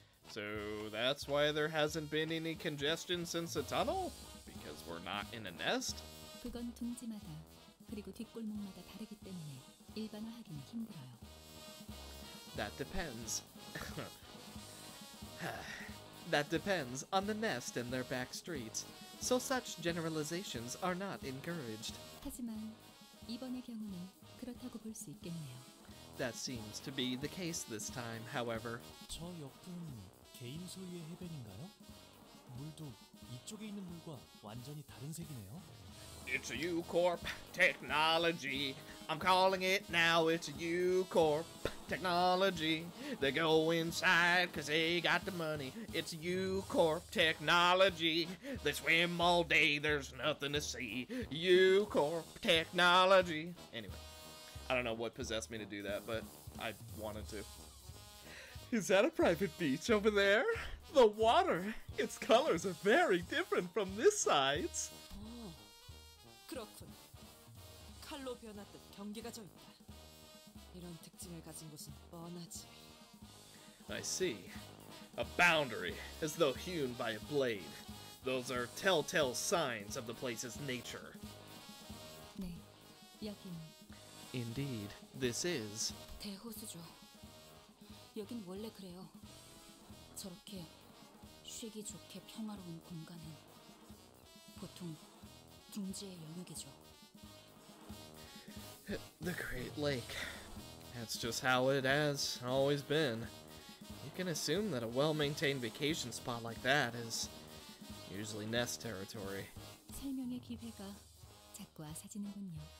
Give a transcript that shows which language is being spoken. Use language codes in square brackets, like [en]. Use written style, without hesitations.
[en] So that's why there hasn't been any congestion since the tunnel? Because we're not in a nest? [ko] 그건 둥지마다, 그리고 뒷골목마다 다르기 때문에 일반화하기는 힘들어요. [en] That depends. That depends on the nest and their back streets, so such generalizations are not encouraged. [ko] 하지만 이번의 경우는 그렇다고 볼 수 있겠네요. [en] That seems to be the case this time, however. [ko] 저 옆은 개인 소유의 해변인가요? 물도 이쪽에 있는 물과 완전히 다른 색이네요. [en] It's a U-Corp technology. I'm calling it now, it's a U-Corp technology. They go inside cause they got the money. It's U-Corp technology. They swim all day, there's nothing to see. U-Corp technology. Anyway, I don't know what possessed me to do that, but I wanted to. Is that a private beach over there? The water, its colors are very different from this side's. [ko] 그렇군. 칼로 변하듯 경계가 져 있다. 이런 특징을 가진 곳은 뻔하지. [en] I see. A boundary, as though hewn by a blade. Those are telltale signs of the place's nature. [ko] 네, 여기는. [en] Indeed, this is. [ko] 대호수죠. 여긴 원래 그래요. 저렇게 쉬기 좋게 평화로운 공간은 보통 둥지의 영역이죠. [en] The Great Lake. That's just how it has always been. You can assume that a well-maintained vacation spot like that is usually nest territory. [ko] 설명의 기회가 자꾸 아사지는군요.